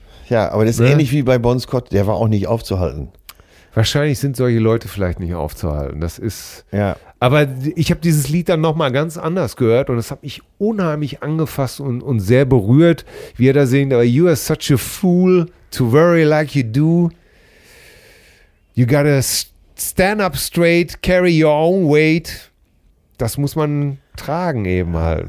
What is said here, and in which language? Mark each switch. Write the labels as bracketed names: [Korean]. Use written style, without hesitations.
[German] Ja, aber das ist ähnlich wie bei Bon Scott, der war auch nicht aufzuhalten. Wahrscheinlich sind solche Leute vielleicht nicht aufzuhalten. Das ist. Ja. Aber ich habe dieses Lied dann nochmal ganz anders gehört und das hat mich unheimlich angefasst und sehr berührt, wie er da singt: [English] You are such a fool to worry like you do. You gotta stand up straight, carry your own weight. [German] Das muss man tragen eben halt.